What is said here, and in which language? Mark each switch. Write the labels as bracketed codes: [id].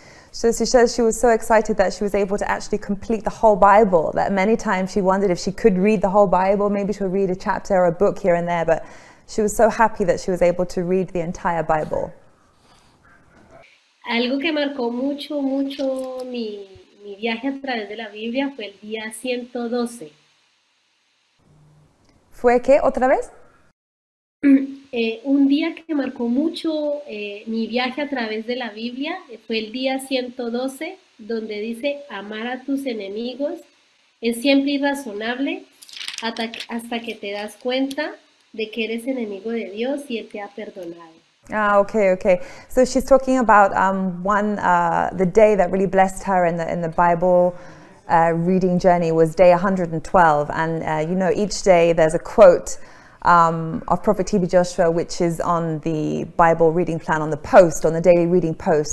[en] So she says she was so excited that she was able to actually complete the whole Bible, that many times she wondered if she could read the whole Bible, maybe she'll read a chapter or a book here and there, but she was so happy that she was able to read the entire Bible. [es] Algo que marcó mucho, mucho mi viaje a través de la Biblia fue el día 112. ¿Fue qué? ¿Otra vez? Un día que marcó mucho mi viaje a través de la Biblia fue el día 112, donde dice, amar a tus enemigos es siempre irrazonable hasta que te das cuenta de que eres enemigo de Dios y Él te ha perdonado. [en] Ah, okay. So she's talking about the day that really blessed her in the Bible reading journey was day 112. And you know, each day there's a quote of Prophet T.B. Joshua, which is on the Bible reading plan on the post, on the daily reading post.